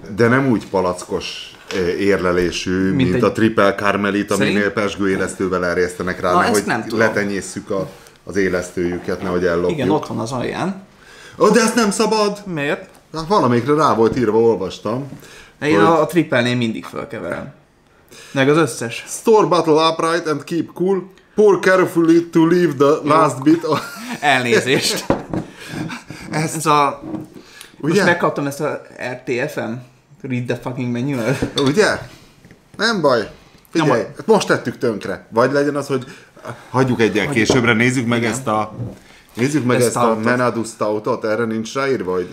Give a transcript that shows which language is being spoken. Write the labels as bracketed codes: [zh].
[hu] De nem úgy palackos érlelésű, mint egy... a triple karmelit, aminél pesgő élesztővel erjesztenek rá, hogy letenyésszük az élesztőjüket, nehogy ellopjuk. Igen, ott van az alján. Ó, de ezt nem szabad! Miért? Hát valamikre rá volt írva, olvastam. Én hogy... a triple-nél mindig felkeverem. Meg az összes. [en] Store bottle upright and keep cool. Pour carefully to leave the last bit. Of... [hu] Elnézést. Ez a... Ugye? Most megkaptam ezt a RTFM. [en] Read the fucking manual. [hu] Ugye? Nem baj. Figyelj, most tettük tönkre. Vagy legyen az, hogy hagyjuk egyen későbbre, nézzük meg ezt a... Nézzük meg ezt a Menadu Stoutot, erre nincs ráírva, hogy...